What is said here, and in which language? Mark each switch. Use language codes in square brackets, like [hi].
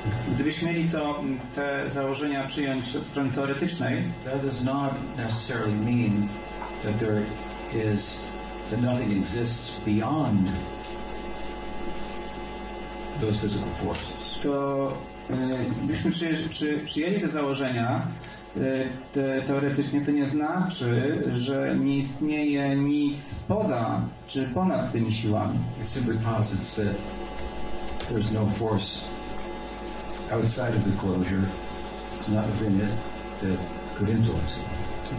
[pl] Gdybyśmy mieli to te założenia przyjąć od strony teoretycznej, [en] that does not necessarily mean that there is that nothing exists beyond those physical forces. [pl] To gdybyśmy przyjęli te założenia teoretycznie, to nie znaczy, że nie istnieje nic poza czy ponad tymi siłami. [en] It simply posits that there's no force outside of the closure. It's not within it that could influence it.